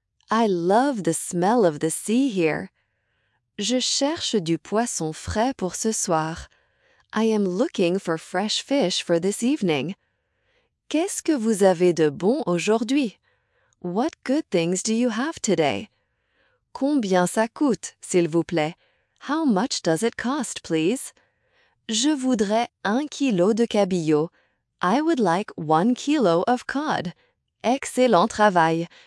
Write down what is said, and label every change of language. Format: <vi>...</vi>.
<en>I love the smell of the sea here.</en> <fr>Je cherche du poisson frais pour ce soir.</fr> <en>I am looking for fresh fish for this evening.</en> <fr>Qu'est-ce que vous avez de bon aujourd'hui?</fr> <en>What good things do you have today?</en> <fr>Combien ça coûte, s'il vous plaît?</fr> <en>How much does it cost, please?</en> <fr>Je voudrais un kilo de cabillaud.</fr> <en>I would like 1 kilo of cod.</en> <fr>Excellent travail.</fr>